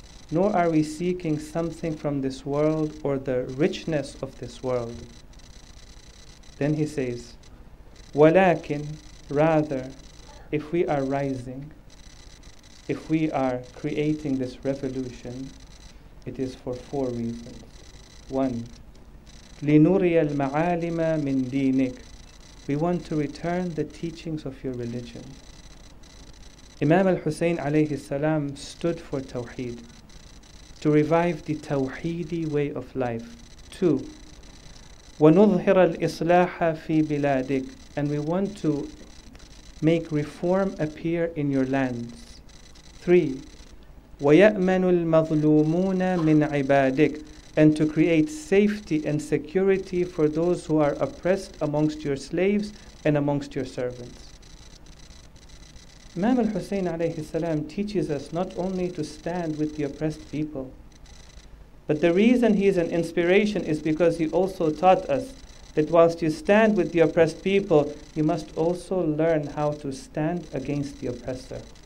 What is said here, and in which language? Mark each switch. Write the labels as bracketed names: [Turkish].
[English] Nor are we seeking something from this world or the richness of this world. Then he says, وَلَكِنْ, rather, if we are rising, if we are creating this revolution, it is for four reasons. [Arabic] One, لِنُرِيَ الْمَعَالِمَ مِنْ دِينِكَ. [English] We want to return the teachings of your religion. Imam al-Hussein alayhi salam stood for Tawheed, to revive the Tawheedi way of life. [Arabic] Two, وَنُظْهِرَ الْإِصْلَاحَ فِي بِلَادِكَ. [English] And we want to make reform appear in your lands. [Arabic] Three, وَيَأْمَنُ الْمَظْلُومُونَ مِنْ عِبَادِكَ. [English] And to create safety and security for those who are oppressed amongst your slaves and amongst your servants. Imam al-Hussein alayhi salam teaches us not only to stand with the oppressed people, but the reason he is an inspiration is because he also taught us that whilst you stand with the oppressed people, you must also learn how to stand against the oppressor.